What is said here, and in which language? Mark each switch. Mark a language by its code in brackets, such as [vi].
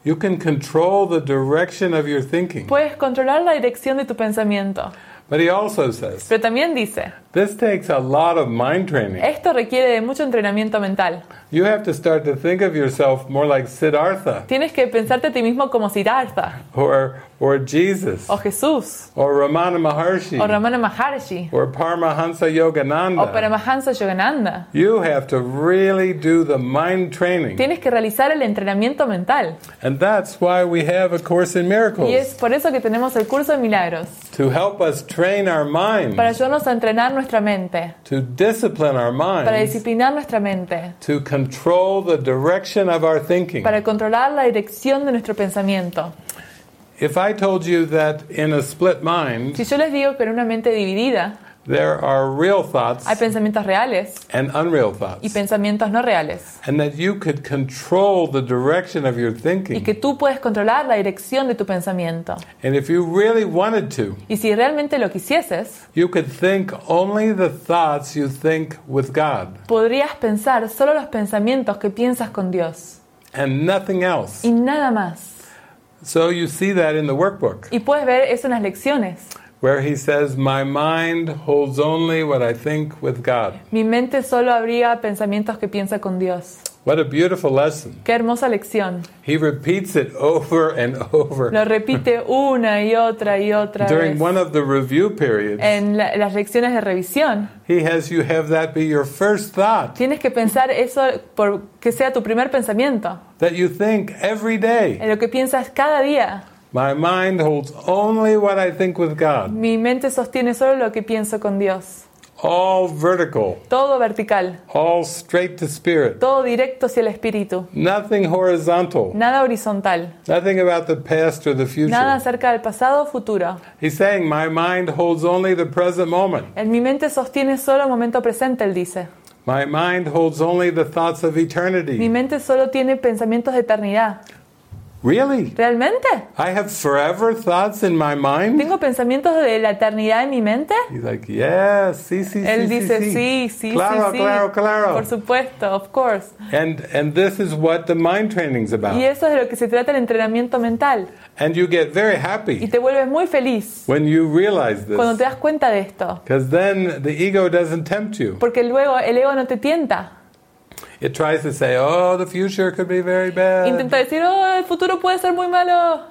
[en] You can control the direction of your thinking. [es] Puedes controlar la dirección de tu pensamiento. [en] But he also says. [es] Pero también dice. [en] This takes a lot of mind training. [es] Esto requiere de mucho entrenamiento mental. [en] You have to start to think of yourself more like Siddhartha. [es] Tienes que pensarte a ti mismo como Siddhartha. [en] Or Jesus. [es] O Jesús. [en] Or Ramana Maharshi. [es] O Ramana Maharshi. [en] Or Paramahansa Yogananda. [es] O Paramahansa Yogananda. [en] You have to really do the mind training. [es] Tienes que realizar el entrenamiento mental. [en] And that's why we have a course in miracles. [es] Y es por eso que tenemos el curso de milagros. [en] To help us train our minds. [es] Para ayudarnos a entrenar nuestra mente. [en] To discipline our minds. [es] Para disciplinar nuestra mente. [en] To control the direction of our thinking. [es] Para controlar la dirección de nuestro pensamiento. [en] If I told you that in a split mind, [es] si yo les digo que en una mente dividida, [en] there are real thoughts, [es] hay pensamientos reales, [en] and unreal thoughts, [es] y pensamientos no reales, [en] and that you could control the direction of your thinking, [es] y que tú puedes controlar la dirección de tu pensamiento, [en] and if you really wanted to, [es] y si realmente lo quisieses, [en] you could think only the thoughts you think with God, [es] podrías pensar solo los pensamientos que piensas con Dios, [en] and nothing else, [es] y nada más. [en] So you see that in the workbook. [es] Y puedes ver eso en las lecciones. [en] Where he says, my mind holds only what I think with God. [es] Mi mente solo abriga pensamientos que piensa con Dios. [en] What a beautiful lesson. [es] Qué hermosa lección. [en] He repeats it over and over. [es] Lo repite una y otra y otra vez. [en] During one of the review periods. [es] En las lecciones de revisión. [en] He has you have that be your first thought. [es] Tienes que pensar eso por que sea tu primer pensamiento. [en] That you think every day. [es] En lo que piensas cada día. [en] My mind holds only what I think with God. [es] Mi mente sostiene solo lo que pienso con Dios. [en] All vertical. [es] Todo vertical. [en] All straight to spirit. [es] Todo directo hacia el espíritu. [en] Nothing horizontal. [es] Nada horizontal. [en] Nothing about the past or the future. [es] Nada acerca del pasado o futuro. [en] He's saying my mind holds only the present moment. [es] En mi mente sostiene solo el momento presente, él dice. [en] My mind holds only the thoughts of eternity. [es] Mi mente solo tiene pensamientos de eternidad. [en] Really? [es] ¿Realmente? [en] I have forever thoughts in my mind. [es] ¿Tengo pensamientos de la eternidad en mi mente? [en] He's like, yes, [es] sí, sí, él dice, sí, sí, sí. Claro, sí, sí. Claro, claro. Por supuesto, [en] of course. And this is what the mind training is about. [es] Y eso es de lo que se trata el entrenamiento mental. [en] And you get very happy. [es] Y te vuelves muy feliz. [en] When you realize this. [es] Cuando te das cuenta de esto. [en] Because then the ego doesn't tempt you. [es] Porque luego el ego no te tienta. [en] It tries to say, oh, the future could be very bad. [es] Intenta decir, oh, el futuro puede ser muy malo.